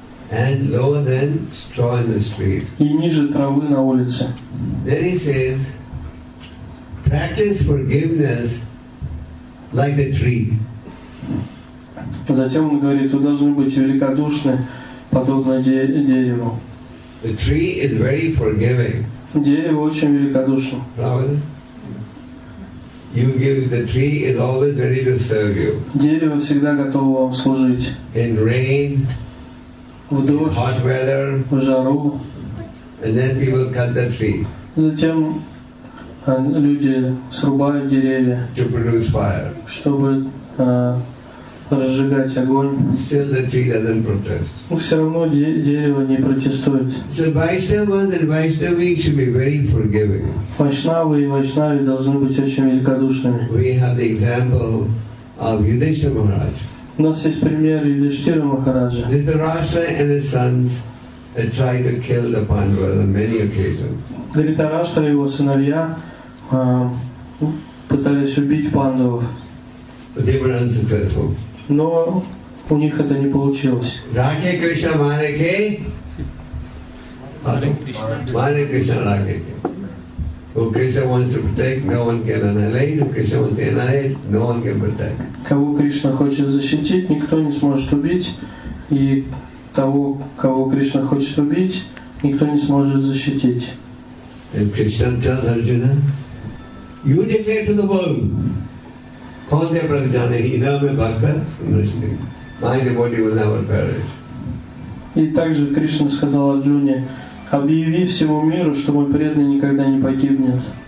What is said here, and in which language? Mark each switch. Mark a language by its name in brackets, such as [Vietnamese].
[English] And lower than straw in the street. [Russian] И ниже травы на улице. [English] Then he says, practice forgiveness like the tree. [Russian] Затем он говорит, вы должны быть великодушны, подобно дереву. [English] The tree is very forgiving. [Russian] Дерево очень великодушно. Правда? [English] You give, the tree is always ready to serve you. [Russian] Дерево всегда готово вам служить. [English] In rain, [Russian] в дождь, [English] in hot weather, [Russian] в жару. [English] And then people cut the tree. [Russian] Затем люди срубают деревья, [English] to produce fire. [Russian] Чтобы разжигать огонь. [English] Still the tree doesn't protest. [Russian] Все равно дерево не протестует. [English] So Vaishnavas and Vaishnavis should be very forgiving. [Russian] Вайшнавы и вайшнави должны быть очень великодушными. [English] We have the example of Yudhishthira Maharaj. [Russian] У нас есть пример Юдиштира Махараджа. [English] Dhritarashtra and his sons tried to kill the Pandavas on many occasions. [Russian] Dhritarashtra и его сыновья пытались убить пандавов. [English] But they were unsuccessful. [Russian] Но у них это не получилось. Rake Krishna Mareke. Mare Krishna Rake. [English] Who Krishna wants to protect, no one can annihilate. Who Krishna wants to annihilate, no one can protect. [Russian] Кого Кришна хочет защитить, никто не сможет убить. И того, кого Кришна хочет убить, никто не сможет защитить. [English] And Krishna tells Arjuna, you declare to the world, Kausalya Pradhyana, Iname Bhakta, my devotee will never perish. [Russian] И также Кришна сказал Арджуне, объяви всему миру, что мой преданный никогда не погибнет.